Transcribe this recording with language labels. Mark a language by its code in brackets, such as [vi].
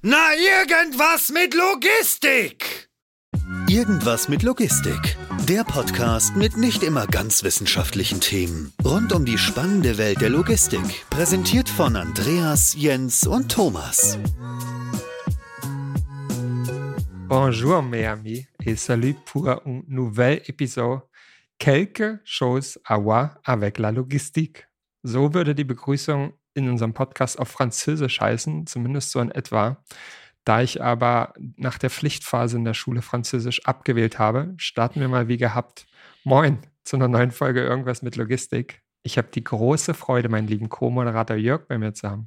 [de] Na, irgendwas mit Logistik! Irgendwas mit Logistik. Der Podcast mit nicht immer ganz wissenschaftlichen Themen. Rund um die spannende Welt der Logistik. Präsentiert von Andreas, Jens und Thomas. [fr] Bonjour, mes amis. Et salut pour un nouvel épisode. Quelque chose à voir avec la logistique. [de] So würde die Begrüßung in unserem Podcast auf Französisch heißen, zumindest so in etwa. Da ich aber nach der Pflichtphase in der Schule Französisch abgewählt habe, starten wir mal wie gehabt. Moin zu einer neuen Folge Irgendwas mit Logistik. Ich habe die große Freude, meinen lieben Co-Moderator Jörg bei mir zu haben.